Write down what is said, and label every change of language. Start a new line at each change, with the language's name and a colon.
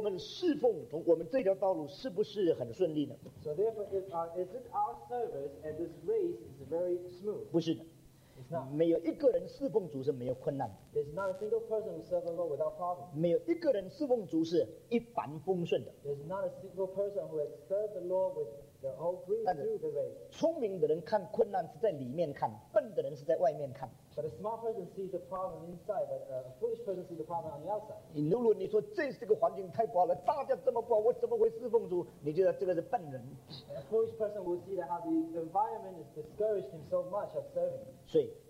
Chinese: 那么呢，我们侍奉从我们这条道路是不是很顺利呢？
English: So therefore, is it our service and this race is very smooth?
Chinese: 不是的。
English: It's not.
Chinese: 没有一个人侍奉主是没有困难的。
English: There's not a single person who serves the Lord without problem.
Chinese: 没有一个人侍奉主是一帆风顺的。
English: There's not a single person who has served the Lord with the whole breeze through the race.
Chinese: 聪明的人看困难是在里面看，笨的人是在外面看。
English: But a smart person sees the problem inside, but a foolish person sees the problem on the outside.
Chinese: 如果你说这个环境太不好了，大家这么不好，我怎么会侍奉主？你觉得这个是笨人。
English: A foolish person will see that how the environment is discouraged him so much of serving.